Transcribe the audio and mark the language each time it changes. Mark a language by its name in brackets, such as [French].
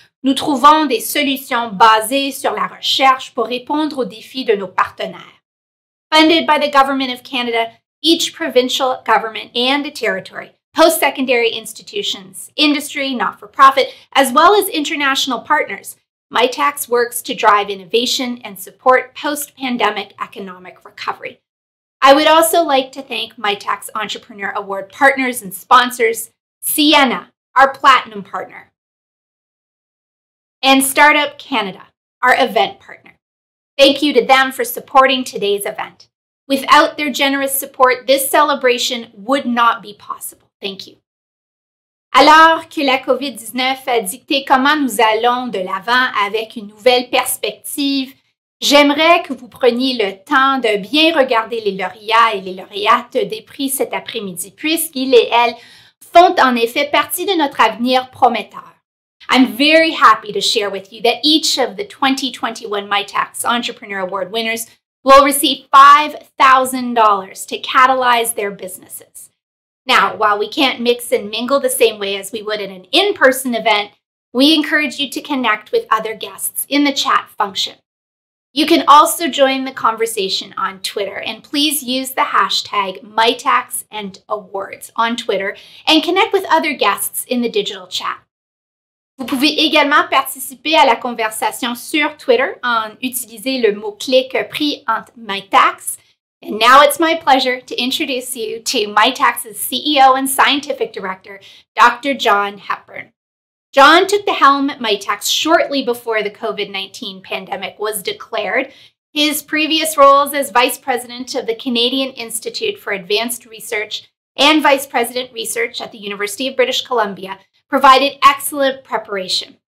[French] Nous trouvons des solutions basées sur la recherche pour répondre aux défis de nos partenaires. [English] Funded by the Government of Canada, each provincial government and a territory, post-secondary institutions, industry, not-for-profit, as well as international partners, Mitacs works to drive innovation and support post-pandemic economic recovery. I would also like to thank Mitacs Entrepreneur Award partners and sponsors, Sienna, our platinum partner, and Startup Canada, our event partner. Thank you to them for supporting today's event. Without their generous support, this celebration would not be possible. Thank you. [French] Alors que la COVID-19 a dicté comment nous allons de l'avant avec une nouvelle perspective, j'aimerais que vous preniez le temps de bien regarder les lauréats et les lauréates des prix cet après-midi, puisqu'ils et elles font en effet partie de notre avenir prometteur. [English] I'm very happy to share with you that each of the 2021 Mitacs Entrepreneur Award winners will receive $5,000 to catalyze their businesses. Now, while we can't mix and mingle the same way as we would at an in-person event, we encourage you to connect with other guests in the chat function. You can also join the conversation on Twitter, and please use the hashtag #MitacsAndAwards on Twitter and connect with other guests in the digital chat. [French] Vous pouvez également participer à la conversation sur Twitter en utilisant le mot-clé que prix entre Mitacs. [English] And now it's my pleasure to introduce you to Mitacs' CEO and Scientific Director, Dr. John Hepburn. John took the helm at Mitacs shortly before the COVID-19 pandemic was declared. His previous roles as Vice President of the Canadian Institute for Advanced Research and Vice President Research at the University of British Columbia provided excellent preparation.